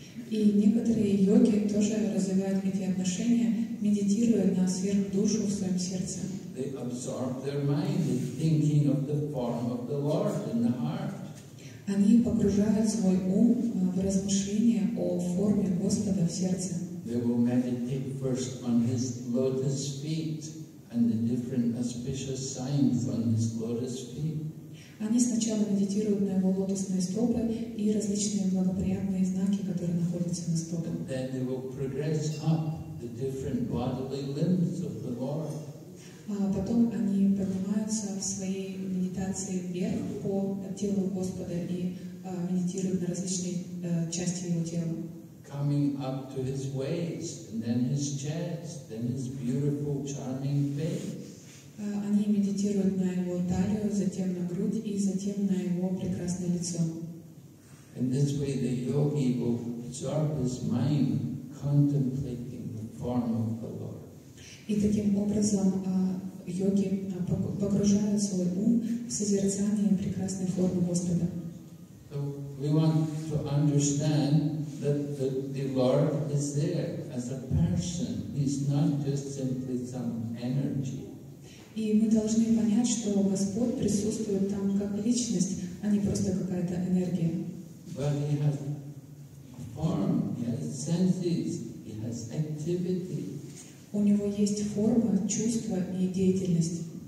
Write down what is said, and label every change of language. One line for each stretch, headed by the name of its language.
Russian: И некоторые йоги тоже развивают эти отношения, медитируя на сверхдушу в своем сердце.
English: They absorb their mind in thinking of the form of the Lord in the heart.
Russian: Они погружают свой ум в размышления о форме Господа в сердце.
English: They will meditate first on his lotus feet and the different auspicious signs on his lotus feet.
Russian: Они сначала медитируют на его лотосные стопы и различные благоприятные знаки, которые находятся на стопах.
English: Then they will progress up the different bodily limbs of the Lord.
Russian: Потом они поднимаются в своей медитации вверх по телу Господа и медитируют на различные части Его тела.
English: Coming up to His waist, and then His chest, then His beautiful, charming face.
Russian: Они медитируют на Его талию, затем на грудь и затем на Его прекрасное лицо.
English: In this way the yogi will absorb his mind contemplating the form of the Lord.
Russian: И таким образом йоги погружают свой ум в созерцание прекрасной формы Господа.
English: So we want to understand that the Lord is there as a person. He's not just simply some energy.
Russian: И мы должны понять, что Господь присутствует там как личность, а не просто какая-то энергия.
English: But he has a form, he has senses, he has activity.
Russian: У него есть форма, чувства и деятельность.